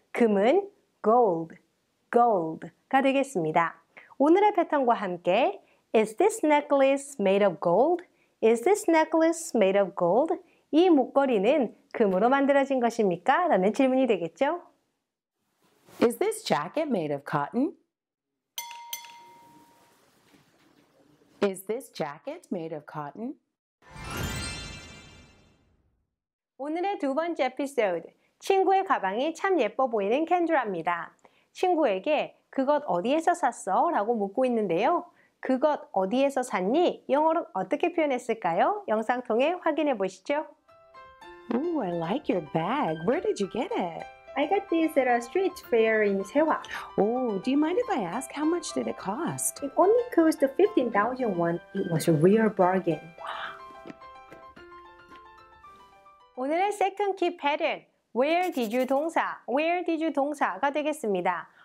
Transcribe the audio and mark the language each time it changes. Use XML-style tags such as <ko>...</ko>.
<ko>금은 gold가 되겠습니다. 오늘의 패턴과 함께</ko> <en>Is this necklace made of gold? Is this necklace made of gold?</en> <ko>이 목걸이는 금으로 만들어진 것입니까? 라는 질문이 되겠죠.</ko> <en>Is this jacket made of cotton? Is this jacket made of cotton?</en> <ko>오늘의 두 번째 에피소드. 친구의 가방이 참 예뻐 보이는 켄드라입니다. 친구에게 그것 어디에서 샀어? 라고 묻고 있는데요. 그것 어디에서 샀니? 영어로 어떻게 표현했을까요? 영상 통해 확인해 보시죠.</ko> <en>Oh, I like your bag. Where did you get it? I got this at a street fair in Sewa. Oh, do you mind if I ask how much did it cost? It only cost 15,000 won. It was a real bargain. Wow.</en> <ko>오늘의</ko> <en>second key pattern, where did you</en> <ko>동사가 되겠습니다.</ko>